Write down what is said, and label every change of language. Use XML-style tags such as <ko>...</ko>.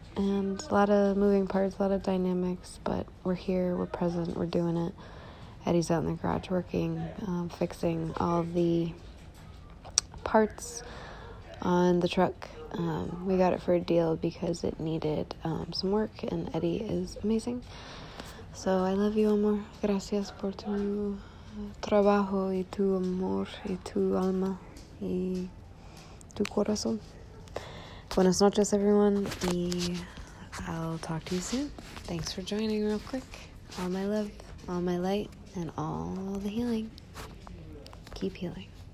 <en>And a lot of moving parts, a lot of dynamics, but we're here, we're present, we're doing it. Eddie's out in the garage working, fixing all the parts on the truck. We got it for a deal because it needed some work, and Eddie is amazing. So I love you, amor.</en> <es>Gracias por tu trabajo y tu amor y tu alma y tu corazón. Buenas noches,</es> <en>everyone, y I'll talk to you soon. Thanks for joining real quick. All my love, all my light, and all the healing. Keep healing.</en>